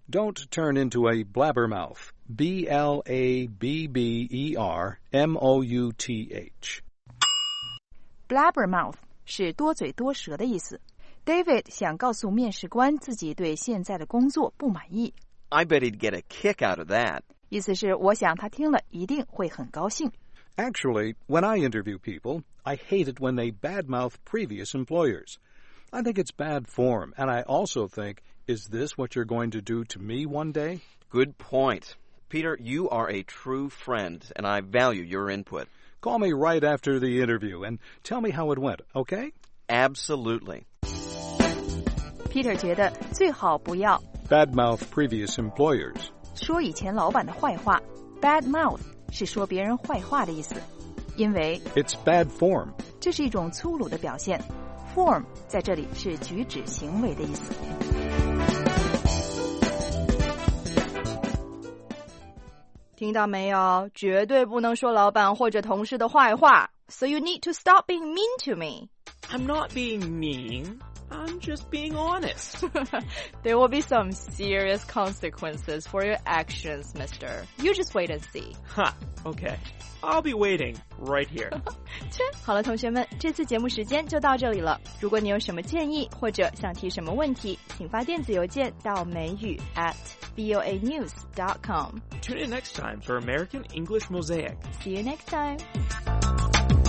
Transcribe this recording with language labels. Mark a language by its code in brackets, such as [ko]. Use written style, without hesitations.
[en] Don't turn into a blabbermouth. B-L-A-B-B-E-R-M-O-U-T-H. [zh] Blabbermouth. 是多嘴多舌的意思。David 想告诉面试官自己对现在的工作不满意。 [en] I bet he'd get a kick out of that. [zh] 意思是我想他听了一定会很高兴。 [en] Actually, when I interview people, I hate it when they badmouth previous employers. I think it's bad form, and I also think, is this what you're going to do to me one day? Good point. Peter, you are a true friend, and I value your input. Call me right after the interview and tell me how it went, okay? Absolutely. [zh] Peter 觉得最好不要 [en] badmouth previous employers. [zh] 说以前老板的坏话 badmouth 是说别人坏话的意思，因为 [en] it's bad form. [zh] 这是一种粗鲁的表现 ，form 在这里是举止行为的意思。听到没有？绝对不能说老板或者同事的坏话。 [en] So you need to stop being mean to me. I'm not being mean. I'm just being honest. There will be some serious consequences for your actions, mister. You just wait and see. Ha, okay. I'll be waiting right here. [zh] 好了，同学们，这次节目时间就到这里了。如果你有什么建议或者想提什么问题，请发电子邮件到美语 @voanews.com. [en] Tune in next time for American English Mosaic. See you next time.